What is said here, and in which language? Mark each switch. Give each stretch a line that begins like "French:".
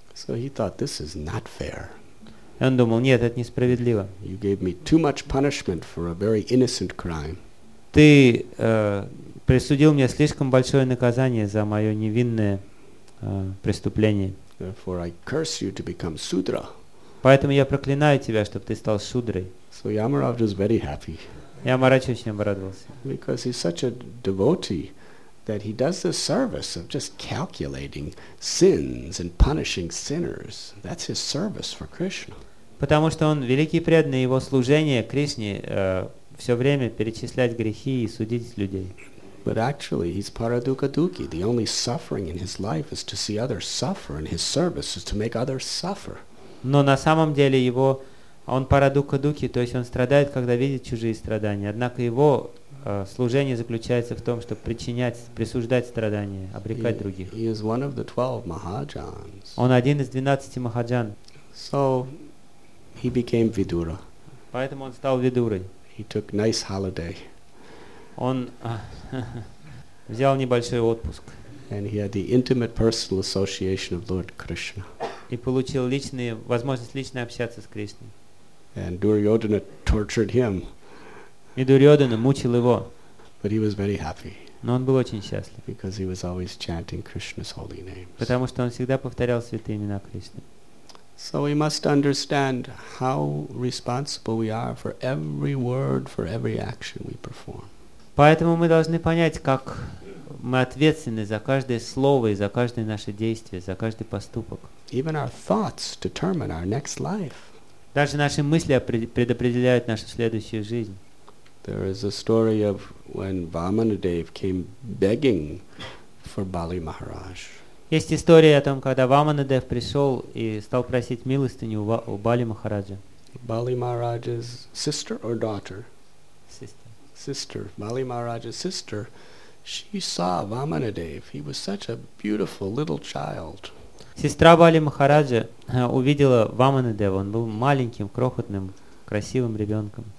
English: So he thought, this is not fair.
Russian: И он думал, нет, это несправедливо.
English: You gave me too much punishment for a very innocent crime.
Russian: Ты присудил мне слишком большое наказание за мое невинное преступление.
English: Therefore, I curse you to become sudra.
Russian: Поэтому я проклинаю тебя, чтобы ты стал судрой.
English: So Yamaraj was very happy.
Russian: Ямарадж очень обрадовался.
English: Because he's such a devotee, that he does the service of just calculating sins and punishing sinners. That's his service for Krishna.
Russian: Потому что он великий преданный, его служение Кришне все время перечислять грехи и судить людей.
English: But actually, he's Paradukaduki. The only suffering in his life is to see others suffer, and his service is to make others suffer.
Russian: Но на самом деле его он Парадукадуки, то есть он страдает, когда видит чужие страдания. Однако его служение заключается в том, чтобы причинять, присуждать страдания, обрекать других.
English: He is one of the 12 Mahajans.
Russian: Он один из 12 Mahajan.
English: So he became Vidura.
Russian: Поэтому он стал Видурой.
English: He took nice holiday.
Russian: Он взял небольшой отпуск.
English: And he had the intimate personal association of Lord Krishna.
Russian: И получил личные, возможность лично общаться с Кришной.
English: And Duryodhana tortured him.
Russian: И Дурьодана мучил его.
English: But he was very happy.
Russian: Но он был очень счастлив.
English: Because he was always chanting Krishna's holy names.
Russian: Потому что он всегда повторял святые имена Кришны.
English: So we must understand how responsible we are for every word, for every action we perform.
Russian: Поэтому мы должны понять, как мы ответственны за каждое слово и за каждое наше действие, за каждый поступок.
English: Even our thoughts determine our next life.
Russian: Даже наши мысли предопределяют нашу следующую жизнь.
English: There is a story of when Vamanadev came begging for Bali Maharaj.
Russian: Есть история о том, когда Ваманадев пришел и стал просить милостыню у Бали Махараджа.
English: Bali Maharaj's sister or daughter? Sister. Sister. Bali Maharaj's sister. She saw Vamanadev. He was such a beautiful little child.
Russian: Сестра Бали Махараджа увидела Ваманадева. Он был маленьким, крохотным, красивым ребенком.